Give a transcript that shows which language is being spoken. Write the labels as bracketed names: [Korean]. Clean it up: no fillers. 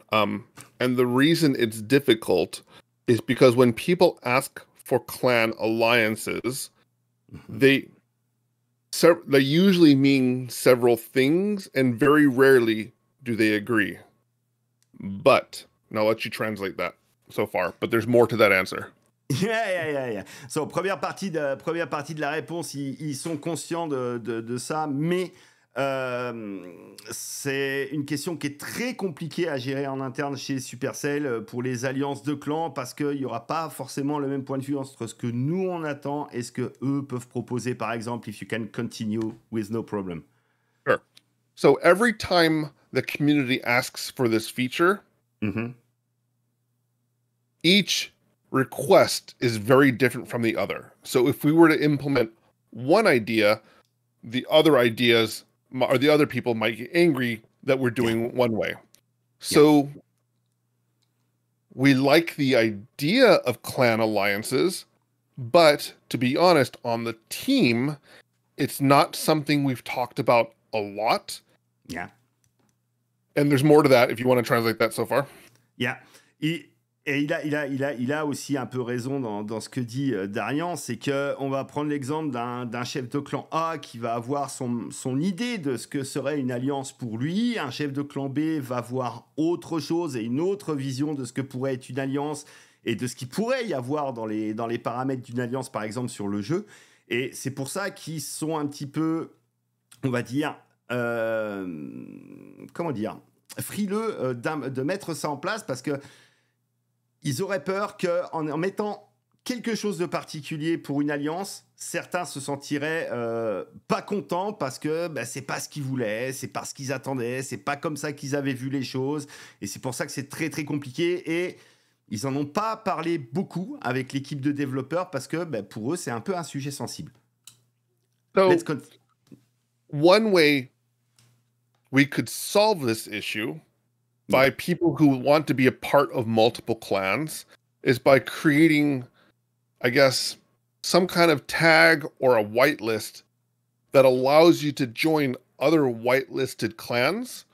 [English] And the reason it's difficult is because when people ask for clan alliances, they usually mean several things, and very rarely do they agree. But, and I'll let you translate that so far, but there's more to that answer. Yeah. [French] So, première partie de la réponse, ils sont conscients de ça, mais C'est une question qui est très compliquée à gérer en interne chez Supercell pour les alliances de clans, parce qu'il n'y aura pas forcément le même point de vue entre ce que nous on attend et ce que eux peuvent proposer, par exemple, [English] if you can continue with no problem. Sure. So every time the community asks for this feature, mm-hmm. each request is very different from the other. So if we were to implement one idea, the other ideas or the other people might get angry that we're doing yeah. one way. So yeah. we like the idea of clan alliances, but to be honest, on the team, it's not something we've talked about a lot. Yeah. And there's more to that if you want to translate that so far. Yeah. [French] Il a aussi un peu raison dans ce que dit Darian, c'est qu'on va prendre l'exemple d'un chef de clan A qui va avoir son idée de ce que serait une alliance pour lui. Un chef de clan B va voir autre chose et une autre vision de ce que pourrait être une alliance et de ce qu'il pourrait y avoir dans les paramètres d'une alliance, par exemple sur le jeu. Et c'est pour ça qu'ils sont un petit peu, on va dire, comment dire, frileux de mettre ça en place, parce que ils auraient peur qu'en mettant quelque chose de particulier pour une alliance, certains se sentiraient pas contents parce que ben, c'est pas ce qu'ils voulaient, c'est pas ce qu'ils attendaient, c'est pas comme ça qu'ils avaient vu les choses. Et c'est pour ça que c'est très très compliqué. Et ils en ont pas parlé beaucoup avec l'équipe de développeurs parce que ben, pour eux, c'est un peu un sujet sensible. [English] So, one way we could solve this issue by people who want to be a part of multiple clans is by creating, I guess, some kind of tag or a whitelist that allows you to join other whitelisted clans